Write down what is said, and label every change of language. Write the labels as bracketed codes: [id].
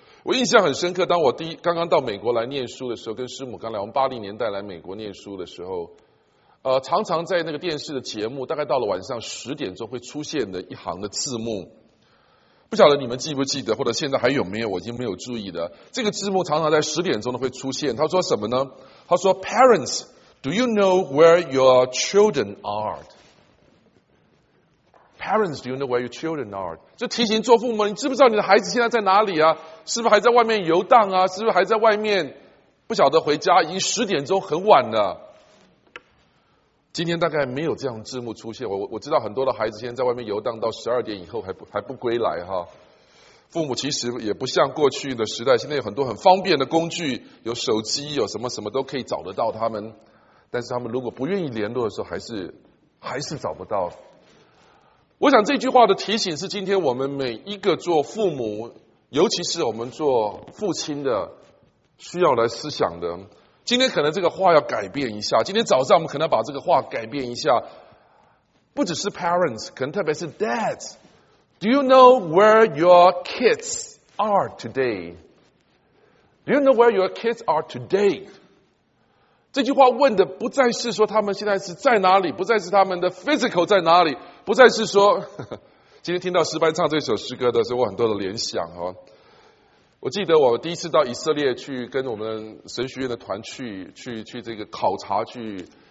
[zh] 我印象很深刻，当我刚刚到美国来念书的时候，跟师母刚来，我们80年代来美国念书的时候，常常在那个电视的节目大概到了晚上10点钟会出现的一行的字幕，不晓得你们记不记得，或者现在还有没有，我已经没有注意的，这个字幕常常在10点钟会出现。他说什么呢？他说 [en] Parents, do you know where your children are? Parents, do you know where your children are? [zh] 就提醒做父母，你知不知道你的孩子现在在哪里啊？是不是还在外面游荡啊？是不是还在外面不晓得回家，已经10点钟很晚了。今天大概没有这样字幕出现。我知道很多的孩子现在在外面游荡到12点以后还不归来哈。父母其实也不像过去的时代，现在有很多很方便的工具，有手机，有什么什么都可以找得到他们。但是他们如果不愿意联络的时候，还是找不到。我想这句话的提醒是今天我们每一个做父母，尤其是我们做父亲的，需要来思想的。今天可能这个话要改变一下，今天早上我们可能要把这个话改变一下，不只是 parents， 可能特别是 dads， [en] Do you know where your kids are today? Do you know where your kids are today? [zh] 这句话问的不再是说他们现在是在哪里，不再是他们的 physical 在哪里，不再是说今天听到诗班唱这首诗歌的时候，我很多的联想哦。我记得我第一次到以色列去跟我们神学院的团去这个考察去。